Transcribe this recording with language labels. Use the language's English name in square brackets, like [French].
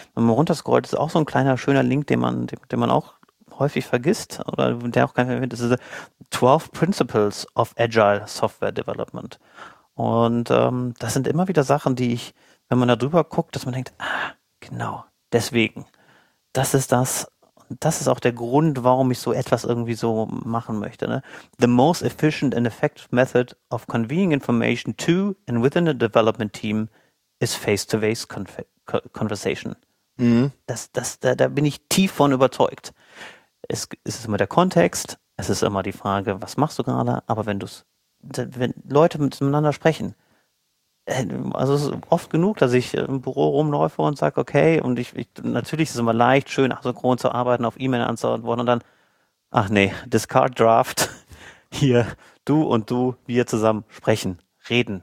[German] Wenn man runterscrollt, ist auch so ein kleiner, schöner Link, den man auch häufig vergisst, oder der auch kein Fall erwähnt, das ist 12 Principles of Agile Software Development. Und das sind immer wieder Sachen, die ich, wenn man da drüber guckt, dass man denkt, ah, genau, deswegen. Das ist das. Das ist auch der Grund, warum ich so etwas irgendwie so machen möchte. Ne? [English] The most efficient and effective method of conveying information to and within a development team is face-to-face conversation. Mhm. [German] Da bin ich tief von überzeugt. Es ist immer der Kontext, es ist immer die Frage, was machst du gerade, aber wenn Leute miteinander sprechen, also es ist oft genug, dass ich im Büro rumläufe und sage, okay, und ich natürlich ist es immer leicht, schön asynchron zu arbeiten, auf E-Mail anzuantworten und dann, ach nee, Discard Draft, hier, du und du, wir zusammen sprechen, reden.